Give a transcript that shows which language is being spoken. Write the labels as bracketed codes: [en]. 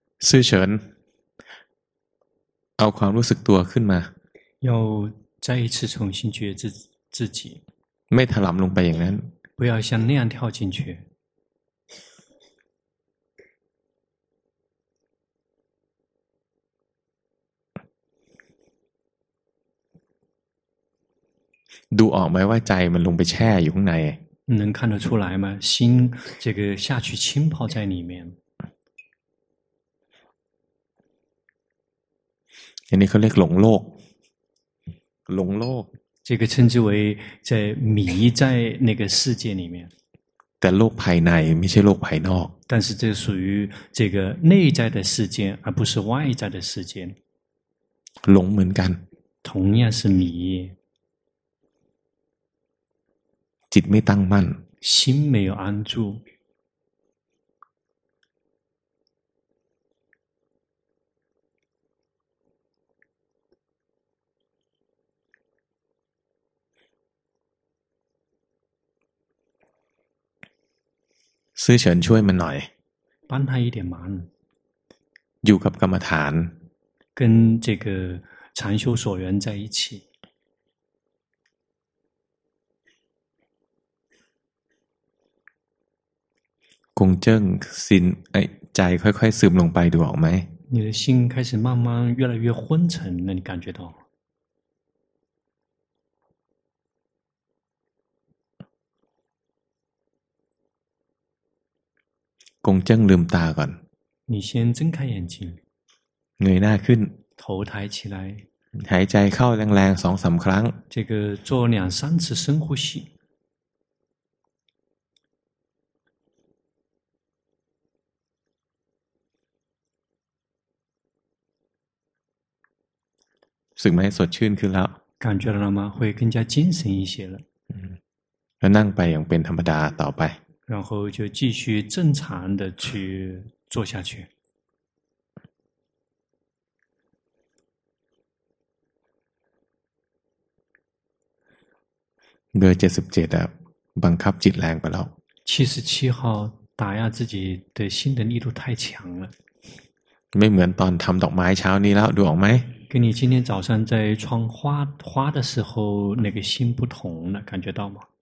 [th] ซื่อเฉินเอาความรู้สึกตัวขึ้นมา [zh] 要再一次重新觉知自己 [th] ไม่ถลำลงไปอย่างนั้น [zh] 不要像那样跳进去 [th] ดูออกไหมว่าใจมันลงไปแช่อยู่ข้างใน [zh] 能看得出来吗心这个下去浸泡在里面 [th] อันนี้เขาเรียกหลงโลกหลงโลก [zh] 这个称之为在迷在那个世界里面 [th] แต่โลกภายในไม่ใช่โลกภายนอก [zh] 但是这属于这个内在的世界而不是外在的世界 [th] หลงเหมือนกัน [zh] 同样是迷 [th] จิตไม่ตั้งมั่น [zh] 心没有安住 [th] ซื่อเฉินช่วยมันหน่อย ปั้นให้เดี๋ยวมัน อยู่กับกรรมฐาน [zh] 跟这个禅修所缘在一起 [th] คงเจิ้งสินใจค่อยๆซึมลงไปดูออกไหม [zh] 你的心开始慢慢越来越昏沉了你感觉到 [th] คงจังลืมตาก่อน [zh] 你先睁开眼睛 [th] เงยหน้าขึ้น [zh] 头抬起来 [th] หายใจเข้าแรงๆ 2-3 ครั้ง [zh] 这个做两三次深呼吸 [th] สึกไหมสดชื่นขึ้นแล้ว [zh] 感觉了吗会更加精神一些了 [th] แล้วนั่งไปอย่างเป็นธรรมดาต่อไป [zh] 然后就继续正常的去做下去 [th] เบอร์77อะบังคับจิตแรงไปแล้ว [zh] 77号打压自己的心的力度太强了 [th] ไม่เหมือนตอนทำดอกไม้เช้านี้แล้วดูออกไหม [zh] 跟你今天早上在窗花花的时候那个心不同了感觉到吗